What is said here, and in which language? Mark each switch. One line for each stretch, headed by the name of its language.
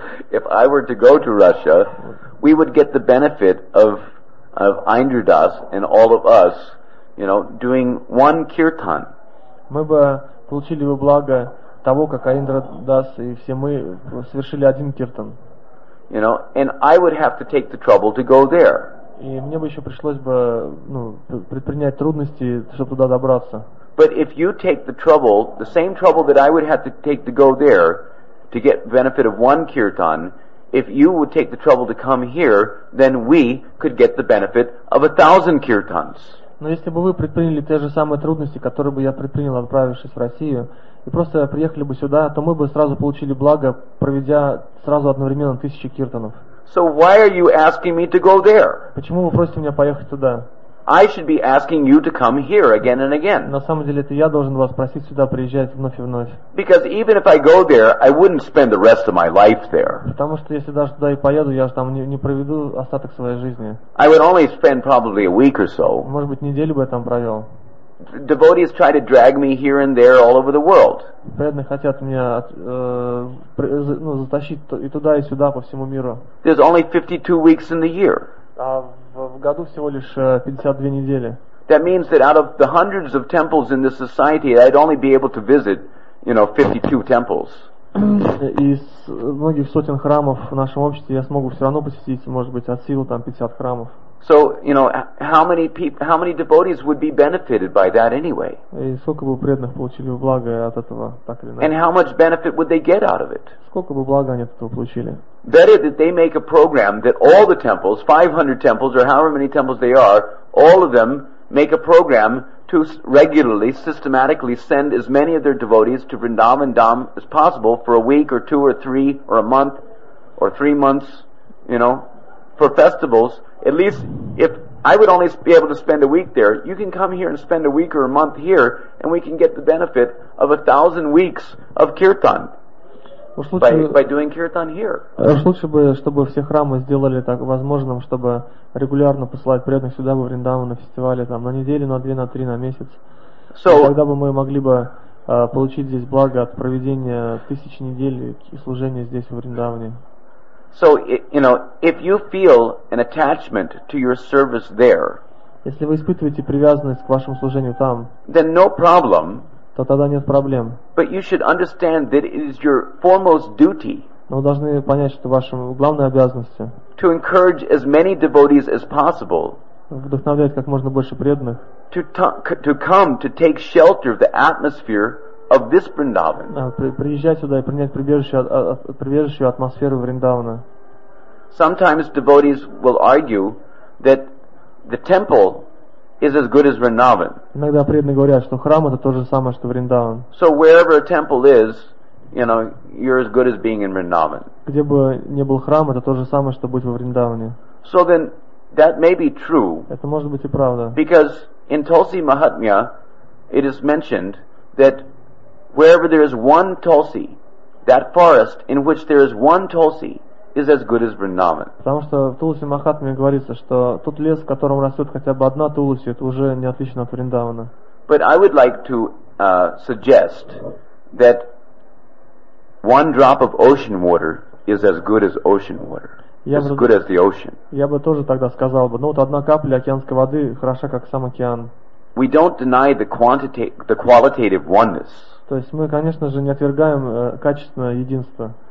English: if I were to go to Russia, we would get the benefit of Indradas and all of us, you know, doing one kirtan.
Russian: Мы бы получили бы благо того, как Индрадас и все мы совершили один киртан.
English: You know, and I would have to take the trouble to go there.
Russian: И мне бы еще пришлось бы, ну, предпринять трудности, чтобы туда добраться.
English: But if you take the trouble, the same trouble that I would have to take to go there to get benefit of one kirtan, if you would take the trouble to come here, then we could get the benefit of 1,000 kirtans.
Russian: Но если бы вы предприняли те же самые трудности, которые бы я предпринял, отправившись в Россию, и просто приехали бы сюда, то мы бы сразу получили благо, проведя сразу одновременно 1,000 киртанов.
English: So why are you asking me to go there?
Russian: Почему вы просите меня поехать туда?
English: I should be asking you to come here again and again.
Russian: На самом деле, это я должен вас просить сюда приезжать вновь и вновь.
English: Because even if I go there, I wouldn't spend the rest of my life there.
Russian: Потому что если даже туда и поеду, я же там не проведу остаток своей жизни.
English: I would only spend probably a week or so.
Russian: Может быть, неделю бы я там провел.
English: Devotees try to drag me here and there all over the world.
Russian: Преданные хотят меня затащить и туда, и сюда, по всему миру.
English: There's only 52 weeks in the year.
Russian: В году всего лишь 52 недели.
English: That means that out of the hundreds of temples in this society, I'd only be able to visit, you know, 52 temples.
Russian: Из многих сотен храмов в нашем обществе я смогу все равно посетить, может быть, от силы там 50 храмов.
English: So, you know, how many devotees would be benefited by that anyway?
Russian: И сколько бы преданных получили благо от этого, так или иначе?
English: And how much benefit would they get out of it?
Russian: Сколько бы блага они от этого получили?
English: Better that they make a program that all the temples, 500 temples or however many temples they are, all of them make a program to regularly, systematically send as many of their devotees to Vrindavan Dham as possible for a week or two or three or a month or 3 months, you know, for festivals. At least if I would only be able to spend a week there, you can come here and spend a week or a month here and we can get the benefit of 1,000 weeks of kirtan. By doing kirtan here.
Russian: Лучше бы, чтобы все храмы сделали так возможным, чтобы регулярно посылать преданных сюда во Вриндаван на фестивале там на неделю, на две, на три, на месяц.
English: So,
Russian: тогда бы мы могли бы получить здесь благо от проведения тысячи недель и служения здесь во Вриндаване.
English: So, you know, if you feel an attachment to your service there,
Russian: если вы испытываете привязанность к вашему служению там,
English: then no problem.
Russian: То тогда нет проблем.
English: But you should understand that it is your foremost duty.
Russian: Но вы должны понять, что вашим главной обязанностью
English: to encourage as many devotees as possible.
Russian: Вдохновлять как можно больше преданных.
English: To come to take shelter of the atmosphere of this Vrindavan.
Russian: Приезжать сюда и принять прибежище атмосферу Вриндавана.
English: Sometimes devotees will argue that the temple is as good as Vrindavan.
Russian: Иногда преданные говорят, что храм это то же самое, что Вриндаван.
English: So wherever a temple is, you know, you're as good as being in Vrindavan.
Russian: Где бы ни был храм, это то же самое, что быть во Вриндаване.
English: So then that may be true.
Russian: Это может быть и правда.
English: Because in Tulsi Mahatmya it is mentioned that wherever there is one tulsi, that forest in which there is one tulsi is as good as Vrindavan.
Russian: Потому что в Тулси Махатме говорится, что тот лес, в котором растет хотя бы одна тулси, это уже не отлично от Вриндавана.
English: But I would like to suggest that one drop of ocean water is as good as ocean water. As good as the ocean.
Russian: Я бы тоже тогда сказал бы, ну вот одна капля океанской воды хороша как сам океан.
English: We don't deny the qualitative oneness.
Russian: То есть мы, конечно же, не отвергаем качественное единство.